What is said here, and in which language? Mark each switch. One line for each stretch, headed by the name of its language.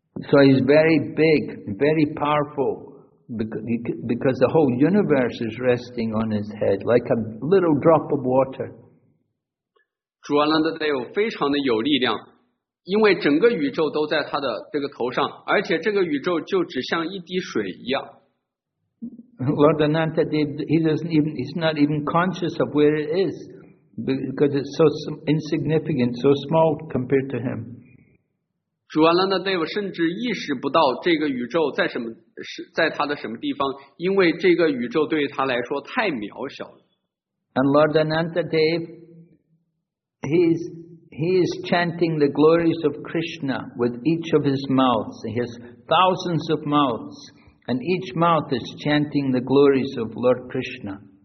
English: So he's very big, very powerful, because the whole universe is resting on his head, like a little drop of water.
Chinese: 主阿难达德有非常的有力量，因为整个宇宙都在他的这个头上，而且这个宇宙就只像一滴水一样。Lord
English: Anantadev, he's not even conscious of where it is, because it's so insignificant, so small compared to him.
Chinese: 主阿难达德甚至意识不到这个宇宙在什么地方，因为这个宇宙对于他来说太渺小了。
English: And Lord Anantadev, he is chanting the glories of Krishna with each of his mouths. He has thousands of mouths, and each mouth is chanting the glories of Lord Krishna.